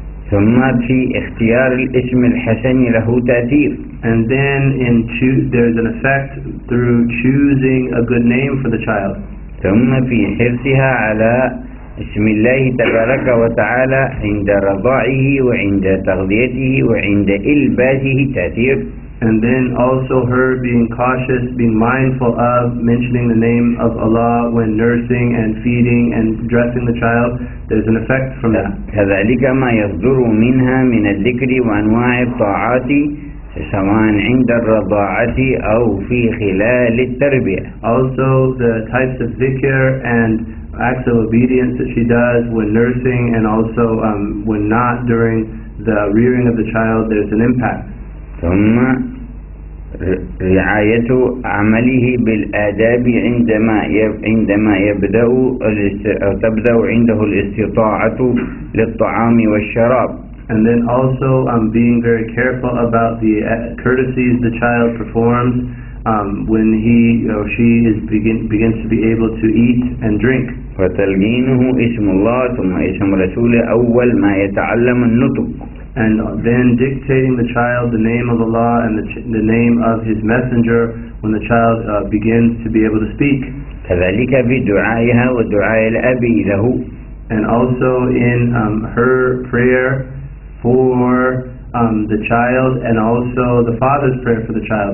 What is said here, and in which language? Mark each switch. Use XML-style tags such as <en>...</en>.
<ar>ثم في اختيار الاسم الحسن له تأثير.</ar> <en>And then there's an effect through choosing a good name for the child.</en> <ar>ثم في حرصها على بسم الله تبارك وتعالى عند رضاعه وعند تغذيته وعند إلباسه تأثير.</ar> <en>And then also her being cautious, being mindful of mentioning the name of Allah when nursing and feeding and dressing the child, there's an effect from that.</en> <ar>كذلك ما يصدر منها من الذكر وأنواع الطاعات سواء عند الرضاعة أو في خلال التربية.</ar> <en>Also the types of dhikr and acts of obedience that she does when nursing and also when not during the rearing of the child, there's an impact.</en> <ar>ثم رعاية عمله بالآداب عندما يبدأ أو تبدأ عنده الاستطاعة للطعام والشراب.</ar> <en>And then also being very careful about the courtesies the child performs when he or she is begins to be able to eat and drink.</en> <ar>فتلقينه اسم الله ثم اسم رسوله أول ما يتعلم النطق.</ar> <en>And then dictating the child the name of Allah and the name of His Messenger when the child begins to be able to speak.</en> <ar>كذلك في دعائها ودعاء الأب له.</ar> <en>And also in her prayer for the child and also the father's prayer for the child.</en>